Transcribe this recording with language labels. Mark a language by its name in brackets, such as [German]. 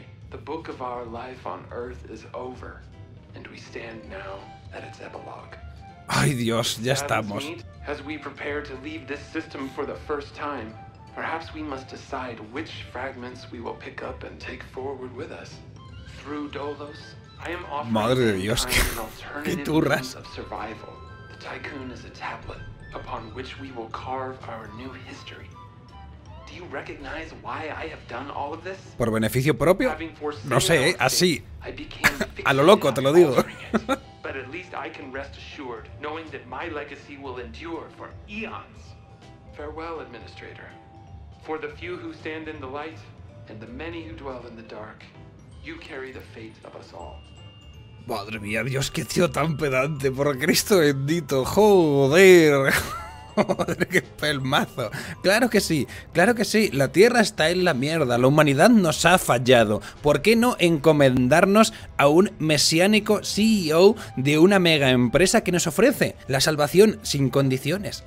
[English] The book of our life on Earth is over. and we stand now at its epilogue. [Spanish] Ay, Dios, ya estamos. [English] As we prepare to leave this system for the first time, perhaps we must decide which fragments we will pick up and take forward with us. Through Dolos, I am offering [Spanish] Madre de Dios, qué turras. [English] Of survival. The tycoon is a tablet upon which we will carve our new history. Do you recognize why I have done all of this? [Spanish] ¿Por beneficio propio? No sé, así. A lo loco, te lo digo. [English] But at least I can rest assured, knowing that my legacy will endure for eons. Farewell, Administrator. For the few who stand in the light, and the many who dwell in the dark, you carry the fate of us all. [Spanish] Madre mía, Dios, qué tío tan pedante, por Cristo bendito, joder. Joder, qué pelmazo. Claro que sí, claro que sí. La Tierra está en la mierda, la humanidad nos ha fallado. ¿Por qué no encomendarnos a un mesiánico CEO de una mega empresa que nos ofrece la salvación sin condiciones?